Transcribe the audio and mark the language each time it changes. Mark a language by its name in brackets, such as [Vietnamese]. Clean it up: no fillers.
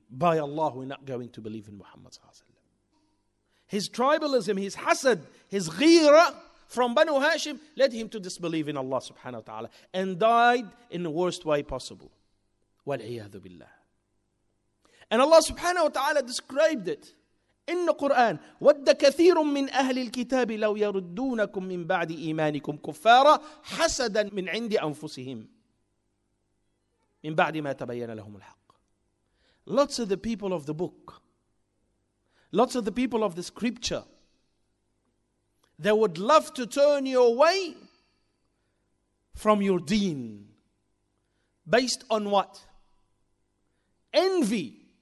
[English] By Allah, we're not going to believe in Muhammad sallallahu alaihi wasallam. His tribalism, his hasad, his ghira from Banu Hashim led him to disbelieve in Allah subhanahu wa ta'ala and died in the worst way possible. [Arabic] والعياذ بالله. [English] And Allah subhanahu wa ta'ala described it. In the Quran, [Arabic] وَدَّ كَثِيرٌ مِّنْ أَهْلِ الْكِتَابِ لَوْ يَرُدُّونَكُمْ مِّنْ بَعْدِ إِيمَانِكُمْ كُفَّارًا حَسَدًا مِّنْ عِنْدِ أَنفُسِهِمْ مِّنْ بَعْدِ مَا تَبَيَّنَ لَهُمُ الْحَقِّ. [English] Lots of the people of the book, lots of the people of the scripture, they would love to turn you away from your deen. Based on what? Envy.